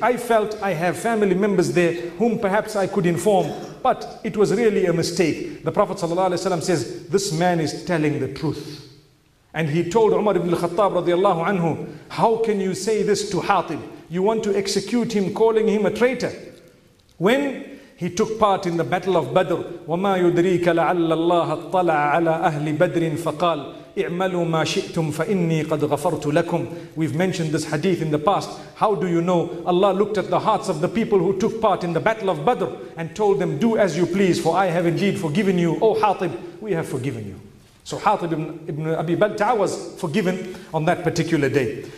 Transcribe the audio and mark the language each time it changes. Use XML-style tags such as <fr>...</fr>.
<en>I felt I have family members there whom perhaps I could inform, but it was really a mistake." The Prophet sallallahu alaihi wasallam says, "This man is telling the truth." And he told Umar ibn al-Khattab radiallahu anhu, "How can you say this to Hatib? You want to execute him, calling him a traitor?" When he took part in the battle of Badr,</en> <ar>وَمَا يُدْرِيكَ لَعَلَّ اللَّهَ اطَّلَعَ عَلَى أَهْلِ بَدْرٍ فَقَالَ اِعْمَلُوا مَا شِئْتُمْ فَإِنِّي قَدْ غَفَرْتُ لَكُمْ.</ar> <en>We've mentioned this hadith in the past. How do you know? Allah looked at the hearts of the people who took part in the battle of Badr and told them, "Do as you please, for I have indeed forgiven you. Oh Hatib, we have forgiven you." So Hatib ibn Abi Balta'a was forgiven on that particular day.</en>